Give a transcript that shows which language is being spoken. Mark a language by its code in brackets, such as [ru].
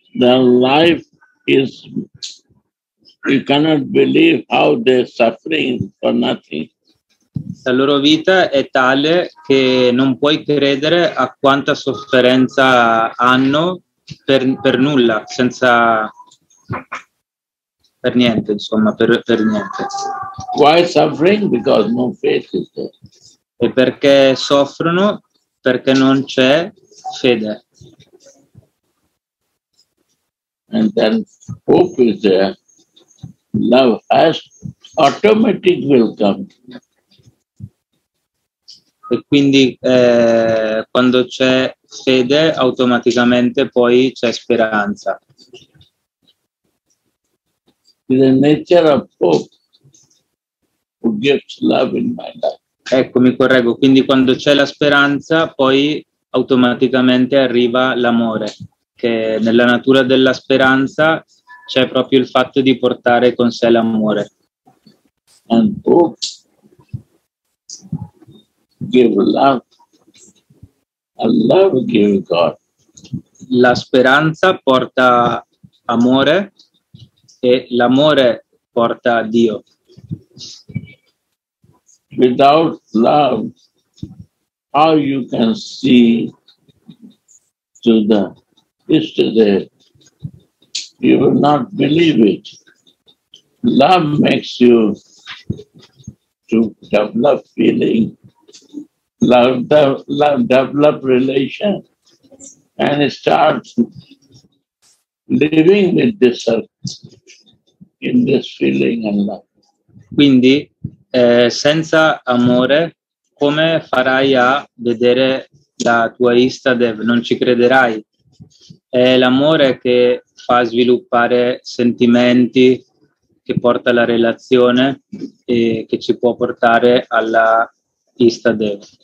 [en] Their life is, you cannot believe how they're suffering for nothing. [it] La loro vita è tale che non puoi credere a quanta sofferenza hanno per nulla, senza, per niente, insomma, per niente. [en] Why suffering? Because no faith is there. [it] E perché soffrono? Perché non c'è fede. [en] And then hope is there. Love has automatic will come. [it] E quindi quando c'è fede, automaticamente poi c'è speranza. [en] The nature of hope who gives love in my life. [it] Ecco, mi correggo. Quindi quando c'è la speranza, poi automaticamente arriva l'amore. Che nella natura della speranza c'è proprio il fatto di portare con sé l'amore. [en] And hope give love. And love give God. [it] La speranza porta amore e l'amore porta a Dio. [en] Without love, how you can see to the yesterday, you will not believe it. Love makes you to develop feeling, love develop relation, and start living with this earth, in this feeling and love. [it] Quindi, senza amore, come farai a vedere la tua istadev? Non ci crederai. È l'amore che fa sviluppare sentimenti, che porta alla relazione e che ci può portare alla istadev.